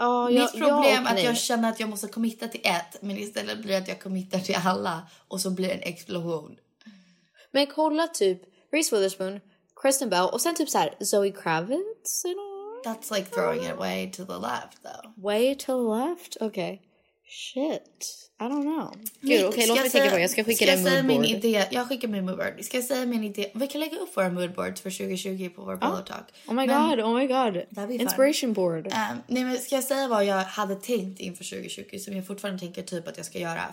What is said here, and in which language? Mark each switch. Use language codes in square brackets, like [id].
[sv] Mitt problem är att jag känner att jag måste committa till ett. Men istället blir det att jag committar till alla. Och så blir det en explosion. Men kolla typ Reese Witherspoon, Kristen Bell och sen typ så här Zoe Kravitz. [en] You know? That's like throwing it way to the left though. Way to the left? Okay. Shit. I don't know. [sv] Gud, okej, låt mig tänka på det. Jag ska skicka dig en moodboard. Jag skickar min moodboard. Ska jag säga min idé? Vi kan lägga upp våra moodboards för 2020 på vår pillow talk. [en] Oh my god. Inspiration board. [sv] Nej, men ska jag säga vad jag hade tänkt inför 2020 som jag fortfarande tänker typ att jag ska göra?